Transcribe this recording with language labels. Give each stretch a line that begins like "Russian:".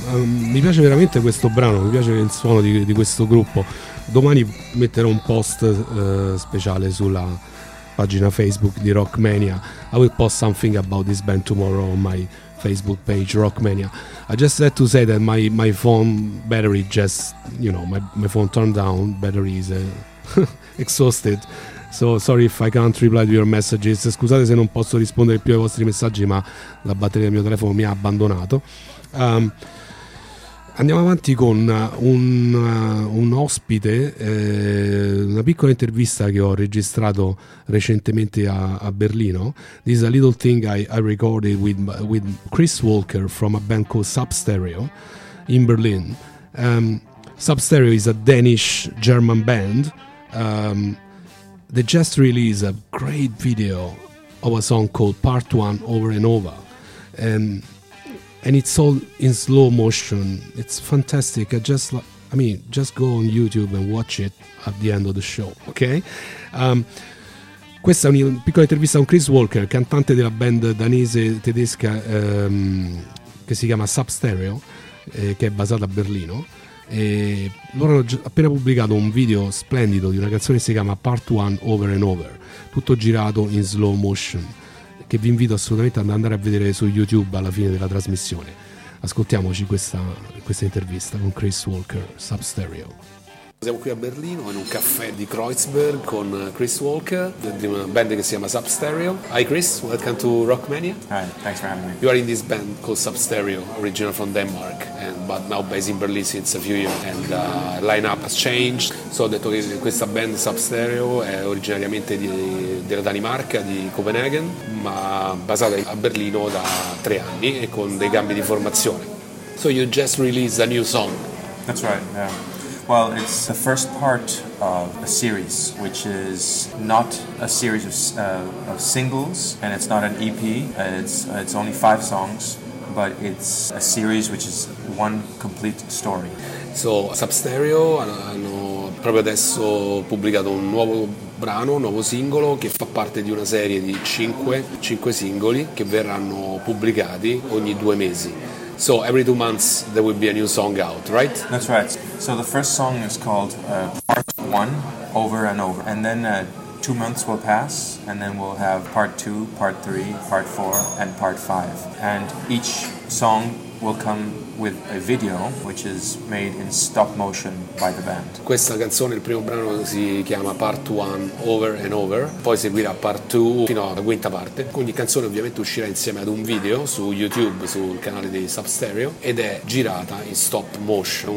Italian: Mi piace veramente questo brano, mi piace il suono di questo gruppo. Domani metterò un post speciale sulla pagina Facebook di Rockmania.
English: I will post something about this band tomorrow on my Facebook page, Rockmania. I just had to say that my phone battery just, you know, my phone turned down, battery is exhausted. So sorry if I can't reply to your messages.
Italian: Scusate se non posso rispondere più ai vostri messaggi, ma la batteria del mio telefono mi ha abbandonato. andiamo avanti con un ospite, una piccola intervista che ho registrato recentemente a Berlino.
English: This is a little thing I recorded with Chris Walker from a band called Substereo in Berlin. Substereo is a Danish-German band. They just released a great video of a song called Part One Over and Over. And it's all in slow motion. It's fantastic. Just go on YouTube and watch it at the end of the show, ok?
Italian: Questa è una piccola intervista a un Chris Walker, cantante della band danese tedesca che si chiama Substereo, che è basata a Berlino. E loro hanno appena pubblicato un video splendido di una canzone che si chiama Part One Over and Over, tutto girato in slow motion, che vi invito assolutamente ad andare a vedere su YouTube alla fine della trasmissione. Ascoltiamoci questa intervista con Chris Walker, Substereo. Siamo qui a Berlino in un caffè di Kreuzberg con Chris Walker di una band che si chiama Substereo.
English: Hi Chris, welcome to Rockmania. Hi, thanks for having me. You are in this band called Substereo, original from Denmark, but now based in Berlin since a few years, and lineup has changed.
Italian: So ho detto che questa band Substereo è originariamente della Danimarca, di Copenaghen, ma basata a Berlino da 3 anni e con dei cambi di formazione.
English: So you just released a new song. That's right, yeah. Well, it's the first part of a series, which is not a series of singles, and it's not an EP. It's only 5 songs, but it's a series which is one complete story.
Italian: So Substereo hanno proprio adesso pubblicato un nuovo brano, un nuovo singolo che fa parte di una serie di 5 singoli che verranno pubblicati ogni 2 mesi.
English: So every 2 months there will be a new song out, right? That's right. So the first song is called Part One, Over and Over. And then 2 months will pass, and then we'll have Part Two, Part Three, Part Four, and Part Five. And each song will come with a video, which is made in stop motion by the band.
Italian: Questa canzone, il primo brano, si chiama Part One, Over and Over. Poi seguirà Part Two fino alla quinta parte. Ogni canzone ovviamente uscirà insieme ad un video su YouTube, sul canale di Substereo, ed è girata in stop motion.